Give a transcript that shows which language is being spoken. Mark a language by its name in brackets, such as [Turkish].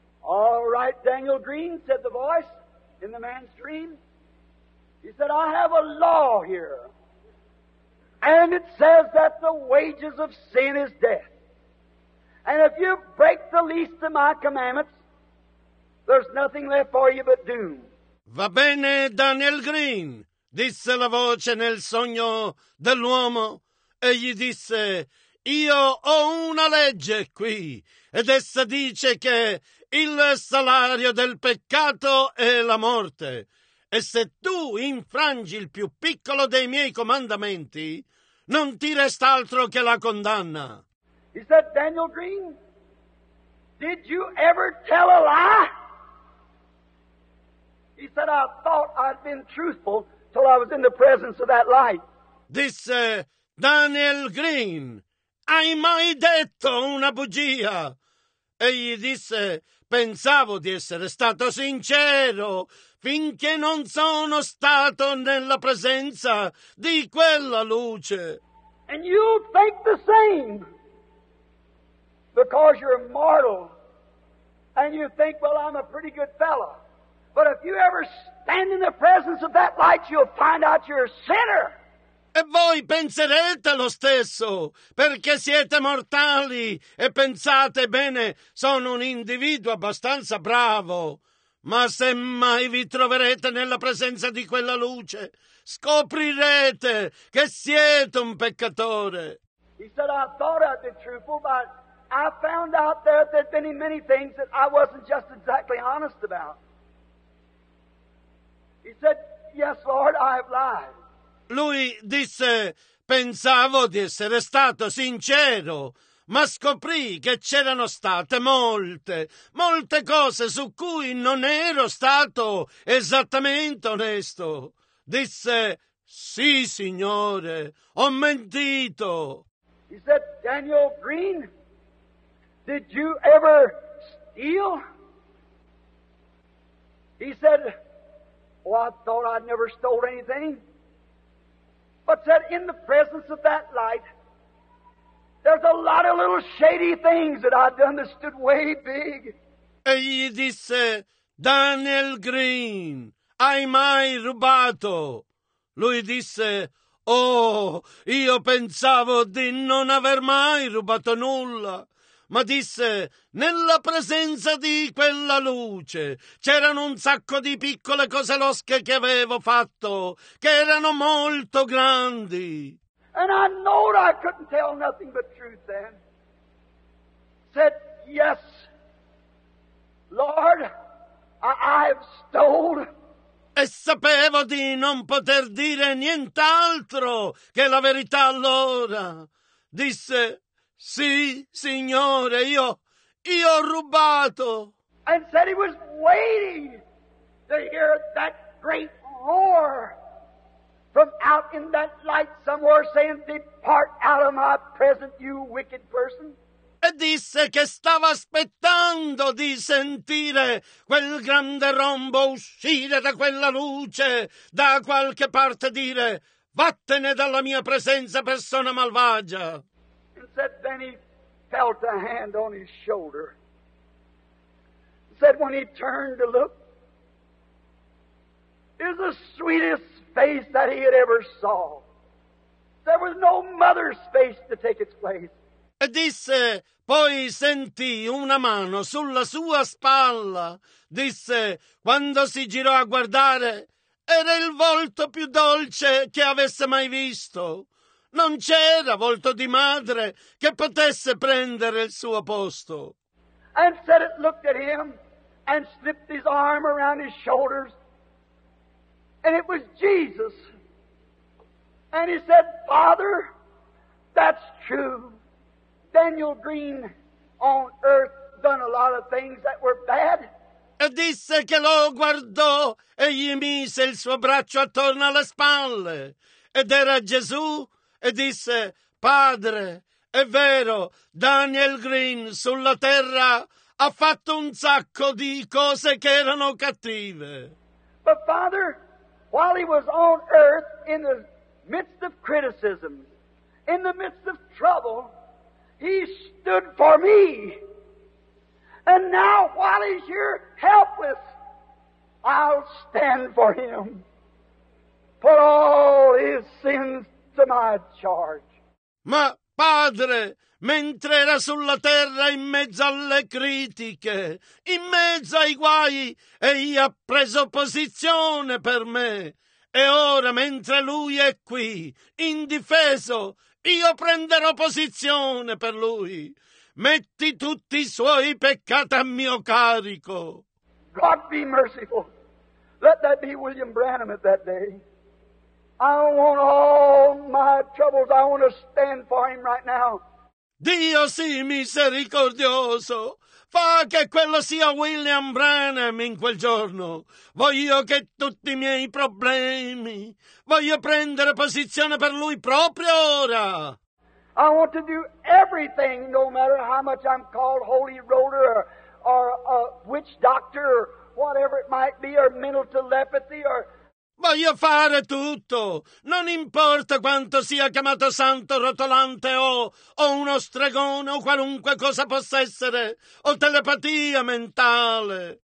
[English] "All right, Daniel Green," said the voice in the man's dream. He said, "I have a law here, and it says that the wages of sin is death. And if you break the least of my commandments, there's nothing left for you but doom. [Italian] Va bene, Daniel Green, disse la voce nel sogno dell'uomo, e gli disse: io ho una legge qui, ed essa dice che il salario del peccato è la morte. E se tu infrangi il più piccolo dei miei comandamenti, non ti resta altro che la condanna. [English] He said, Daniel Green, did you ever tell a lie? He said, I thought I'd been truthful till I was in the presence of that light. [Italian] Disse, Daniel Green, hai mai detto una bugia? Egli disse, pensavo di essere stato sincero finché non sono stato nella presenza di quella luce. [English] And you'll think the same because you're mortal and you think, well, I'm a pretty good fella. But if you ever stand in the presence of that light, you'll find out you're a sinner. [Italian] E voi penserete lo stesso, perché siete mortali e pensate, bene, sono un individuo abbastanza bravo, ma se mai vi troverete nella presenza di quella luce, scoprirete che siete un peccatore. [English] He said, I thought I'd be truthful, but I found out there that there'd been many things that I wasn't just exactly honest about. He said, yes, Lord, I have lied. [Italian] Lui disse, pensavo di essere stato sincero, ma scoprì che c'erano state molte, molte cose su cui non ero stato esattamente onesto. Disse, sì, Signore, ho mentito. [English] He said, Daniel Green, did you ever steal? He said, well, I thought I'd never stole anything. But said, in the presence of that light, there's a lot of little shady things that I've done that stood way big. [Italian] E gli disse, Daniel Green, hai mai rubato? Lui disse, oh, io pensavo di non aver mai rubato nulla. Ma disse, nella presenza di quella luce c'erano un sacco di piccole cose losche che avevo fatto, che erano molto grandi. [English] And I know I couldn't tell nothing but truth then. Said, yes, Lord, I have stolen. [Italian] E sapevo di non poter dire nient'altro che la verità allora. Disse, sì, Signore, io ho rubato. [English] And said he was waiting to hear that great roar from out in that light somewhere saying, depart out of my presence, you wicked person. [Italian] E disse che stava aspettando di sentire quel grande rombo uscire da quella luce, da qualche parte dire, vattene dalla mia presenza, persona malvagia. [English] Said, then he felt a hand on his shoulder. Said, when he turned to look, it was the sweetest face that he had ever saw. There was no mother's face to take its place. [Italian] E disse, poi sentì una mano sulla sua spalla. Disse, quando si girò a guardare, era il volto più dolce che avesse mai visto. Non c'era volto di madre che potesse prendere il suo posto. [English] And said it looked at him and slipped his arm around his shoulders. And it was Jesus. And he said, Father, that's true. Daniel Green on earth done a lot of things that were bad. [Italian] E disse che lo guardò e gli mise il suo braccio attorno alle spalle. Ed era Gesù. E disse, Padre, è vero, Daniel Green sulla terra ha fatto un sacco di cose che erano cattive. [English] But Father, while he was on earth, in the midst of criticism, in the midst of trouble, he stood for me. And now, while he's here helpless, I'll stand for him. Put all his sins to my charge. [Italian] Ma Padre, mentre era sulla terra in mezzo alle critiche, in mezzo ai guai, egli ha preso posizione per me. E ora, mentre lui è qui, indifeso, io prenderò posizione per lui. Metti tutti i suoi peccati a mio carico. [English] God be merciful. Let that be William Branham at that day. I don't want all my troubles. I want to stand for him right now. [Italian] Dio sii misericordioso. Fa che quello sia William Branham in quel giorno. Voglio che tutti i miei problemi, voglio prendere posizione per lui proprio ora. [English] I want to do everything, no matter how much I'm called holy roller or a witch doctor, whatever it might be, or mental telepathy, or... [Italian] Voglio fare tutto, non importa quanto sia chiamato santo rotolante o uno stregone o qualunque cosa possa essere, o telepatia mentale.